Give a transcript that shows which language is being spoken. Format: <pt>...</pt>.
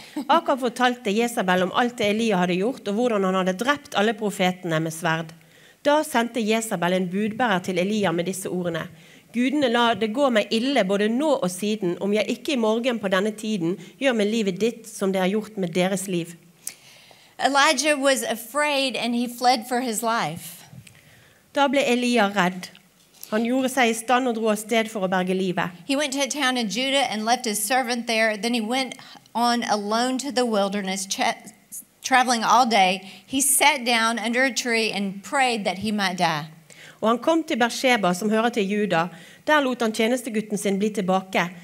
<no>Akab fortalte Jezebel om alt det Elijah hadde gjort og hvordan han hadde drept alle profetene med sverd. Da sendte Jezebel en budbærer til Elijah med disse ordene. Gudene la det gå meg ille både nå og siden, om jeg ikke I morgen på denne tiden gjør med livet ditt som det har gjort med deres liv.</no> <en>Elijah was afraid and he fled for his life.</en> <no>Da ble Elijah redd. Han gjorde seg I stand og dro av sted for å berge livet.</no> <en>He went to a town in Judah and left his servant there. Then he went on alone to the wilderness, traveling all day, he sat down under a tree and prayed that he might die.</en> <no>Og han kom til Beersheba, som hører til Juda. Der lot han tjenestegutten sin bli tilbake.</no>